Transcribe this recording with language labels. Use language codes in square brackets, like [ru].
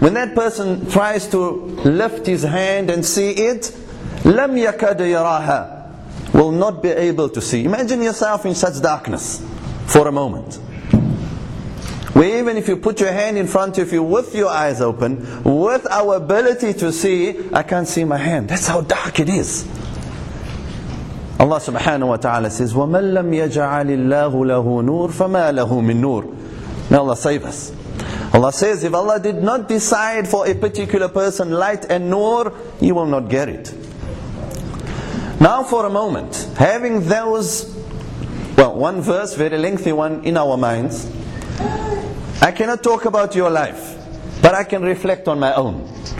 [en] When that person tries to lift his hand and see it, [ar] لَمْ يَكَدْ يَرَاهَا. [en] Will not be able to see. Imagine yourself in such darkness for a moment. Where even if you put your hand in front of you with your eyes open, with our ability to see, I can't see my hand. That's how dark it is. Allah subhanahu wa ta'ala says, [ar] وَمَنْ لَمْ يَجَعَلِ اللَّهُ لَهُ نُورٌ فَمَا لَهُ مِنْ نُورٍ. [en] May Allah save us. Allah says, if Allah did not decide for a particular person light and nur, you will not get it. Now for a moment, having those, well, one verse, very lengthy one, in our minds, I cannot talk about your life, but I can reflect on my own.